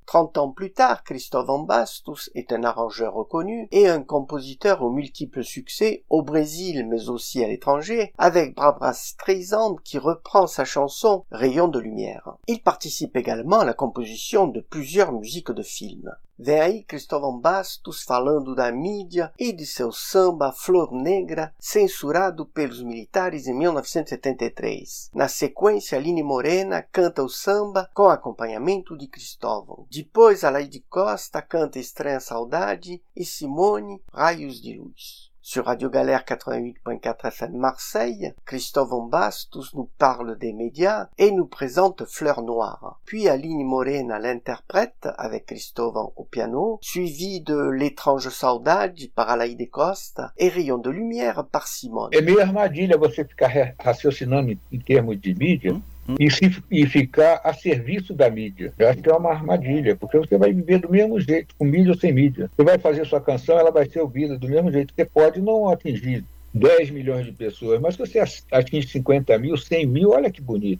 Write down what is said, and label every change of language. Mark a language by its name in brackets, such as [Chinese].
[French] 30 ans plus tard, Cristóvão Bastos est un arrangeur reconnu et un compositeur aux multiples succès au Brésil mais aussi à l'étranger, avec Barbra Streisand qui reprend sa chanson Rayon de lumière. Il participe également à la composition de plusieurs musiques de films. [Portuguese] Vem aí Cristóvão Bastos falando da mídia e de seu samba Flor Negra, censurado pelos militares em 1973. Na sequência, Aline Morena canta o samba com acompanhamento de Cristóvão. Depois, Alaide Costa canta Estranha Saudade e Simone, Raios de Luz. [French] Sur Radio Galère 88.4 FM Marseille, Cristóvão Bastos nous parle des médias et nous présente Fleur Noire. Puis Aline Morena l'interprète avec Cristóvão au piano, suivi de L'étrange saudade par Alaïde Costa et Rayon de lumière par Simone. [Portuguese] É meio armadilha você ficar raciocinando em termos de mídia e ficar a serviço da mídia. Eu acho que é uma armadilha, porque você vai viver do mesmo jeito, com mídia ou sem mídia. Você vai fazer sua canção, ela vai ser ouvida do mesmo jeito. Você pode não atingir 10 milhões de pessoas, mas se você atinge 50 mil, 100 mil, olha que bonito.